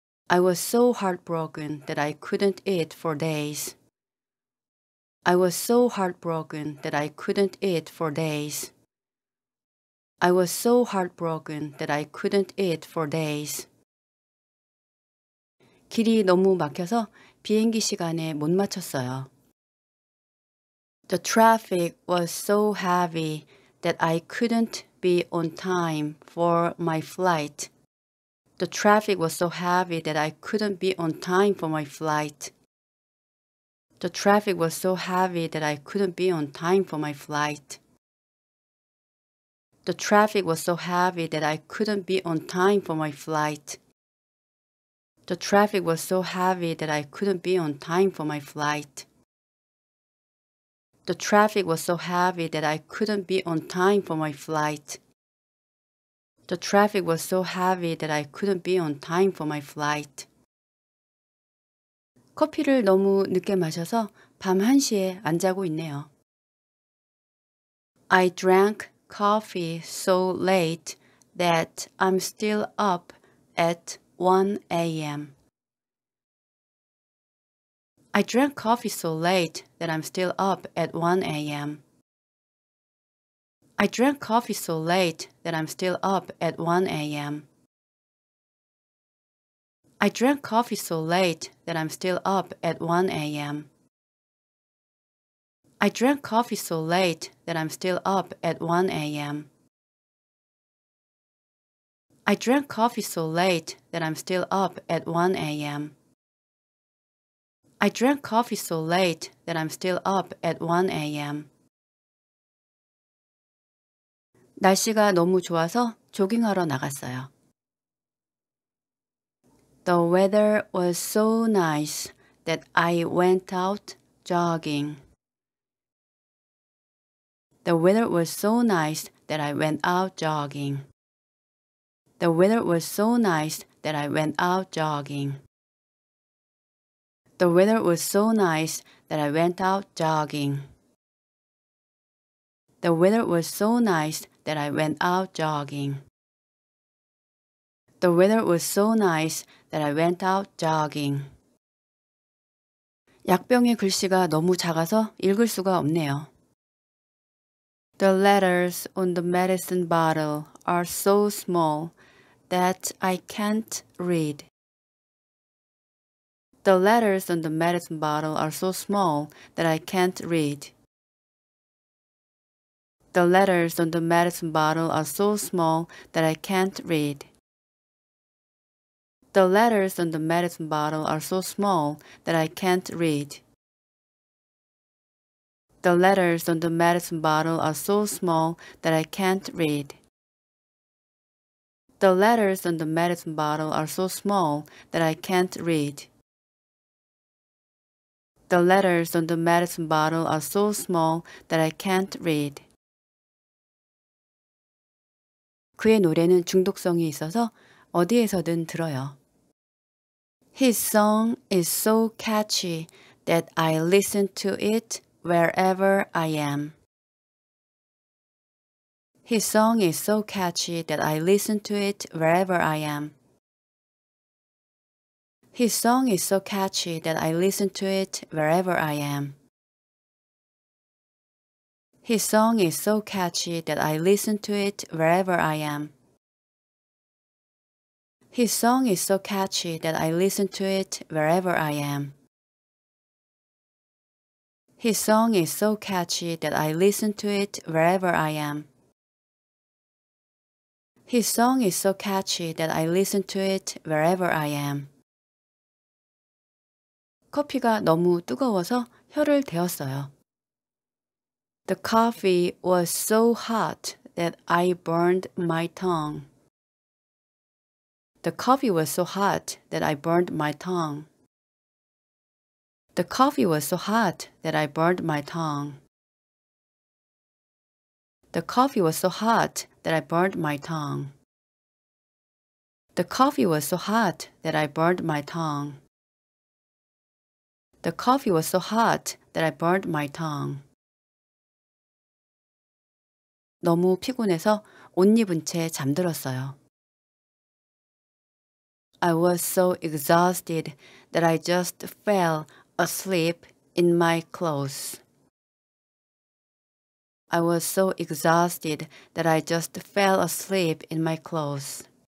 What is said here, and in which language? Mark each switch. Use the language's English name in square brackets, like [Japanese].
[English] I was so heartbroken that I couldn't eat for days. I was so heartbroken that I couldn't eat for days. I was so heartbroken that I couldn't eat for days. [Korean] 길이 너무 막혀서 비행기 시간에 못 맞췄어요. [English] The traffic was so heavy that I couldn't be on time for my flight. The traffic was so heavy that I couldn't be on time for my flight. The traffic was so heavy that I couldn't be on time for my flight. The traffic was so heavy that I couldn't be on time for my flight. The traffic was so heavy that I couldn't be on time for my flight. The traffic was so heavy that I couldn't be on time for my flight. The traffic was so heavy that I couldn't be on time for my flight. [Korean] 커피를 너무 늦게 마셔서 밤 1시에 안 자고 있네요. [English] I drank coffee so late that I'm still up at 1 a.m. I drank coffee so late that I'm still up at 1 a.m. I drank coffee so late that I'm still up at 1 a.m. I drank coffee so late that I'm still up at 1 a.m. I drank coffee so late that I'm still up at 1 a.m. I drank coffee so late that I'm still up at 1 a.m. I drank coffee so late that I'm still up at 1 a.m. [Korean] 날씨가 너무 좋아서 조깅하러 나갔어요. [English] The weather was so nice that I went out jogging. The weather was so nice that I went out jogging. The weather was so nice that I went out jogging. The The weather was so nice that I went out jogging. The weather was so nice that I went out jogging. The weather was so nice that I went out jogging. [Korean] 약병의 글씨가 너무 작아서 읽을 수가 없네요. [English] The letters on the medicine bottle are so small that I can't read. The letters on the medicine bottle are so small that I can't read. The letters on the medicine bottle are so small that I can't read. The letters on the medicine bottle are so small that I can't read. The letters on the medicine bottle are so small that I can't read. The letters on the medicine bottle are so small that I can't read. The letters on the medicine bottle are so small that I can't read. [Korean] 그의 노래는 중독성이 있어서 어디에서든 들어요. [English] His song is so catchy that I listen to it wherever I am. His song is so catchy that I listen to it wherever I am. His song is so catchy that I listen to it wherever I am. His song is so catchy that I listen to it wherever I am. His song is so catchy that I listen to it wherever I am. His song is so catchy that I listen to it wherever I am. His song is so catchy that I listen to it wherever I am. [Korean] 커피가 너무 뜨거워서 혀를 데웠어요. [English] The coffee was so hot that I burned my tongue. The coffee was so hot that I burned my tongue. The coffee was so hot that I burned my tongue. The coffee was so hot that I burned my tongue. The coffee was so hot that I burned my tongue. The coffee was so hot that I burned my tongue. [Korean] 너무 피곤해서 옷 입은 채 잠들었어요. [English] I was so exhausted that I just fell asleep in my clothes. I was so exhausted that I just fell asleep in my clothes.